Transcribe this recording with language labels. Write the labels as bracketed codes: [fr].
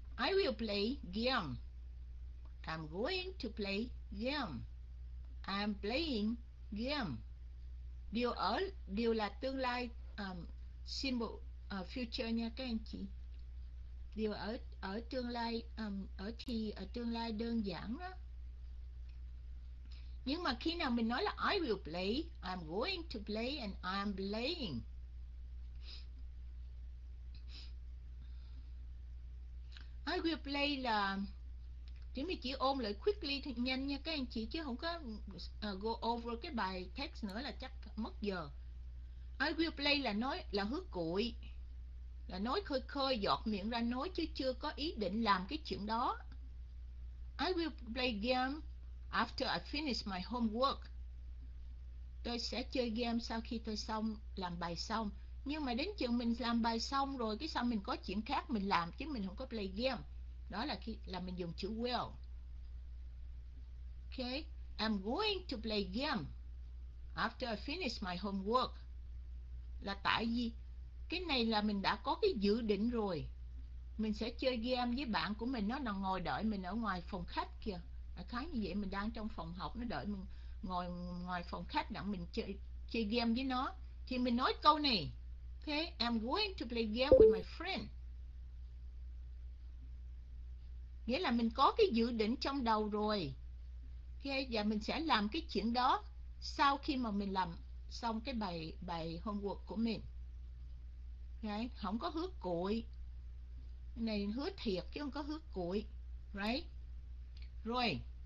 [en] I will play game. I'm going to play game. I'm playing game. [vi] Điều ở đều là tương lai. Symbol future nha các anh chị. Điều ở ở tương lai, ở thì ở tương lai đơn giản đó. Nhưng mà khi nào mình nói là [en] I will play, I'm going to play and I'm playing. [vi] I will play là chúng mình chỉ ôm lại quickly nhanh nha các anh chị, chứ không có [en] go over [vi] cái bài text nữa là chắc mất giờ. I will play là nói, là hứa cuội, là nói khơi khơi, giọt miệng ra nói chứ chưa có ý định làm cái chuyện đó. [en] I will play game after I finish my homework. [vi] Tôi sẽ chơi game sau khi tôi xong làm bài xong. Nhưng mà đến chừng mình làm bài xong rồi, cái sau mình có chuyện khác mình làm chứ mình không có [en] play game. [vi] Đó là khi là mình dùng chữ will. [en] Okay, I'm going to play game after I finish my homework. [vi] Là tại vì cái này là mình đã có cái dự định rồi. Mình sẽ chơi game với bạn của mình, nó đang ngồi đợi mình ở ngoài phòng khách kìa. À, khá như vậy, mình đang trong phòng học, nó đợi mình ngồi ngoài phòng khách đặng mình chơi game với nó. Thì mình nói câu này. [en] Okay, I'm going to play game with my friend. [vi] Nghĩa là mình có cái dự định trong đầu rồi. [en] Okay, [vi] và mình sẽ làm cái chuyện đó sau khi mà mình làm xong cái bài homework của mình. Okay, không có hứa cuội. Này hứa thiệt chứ không có hứa cuội. Right? Rồi.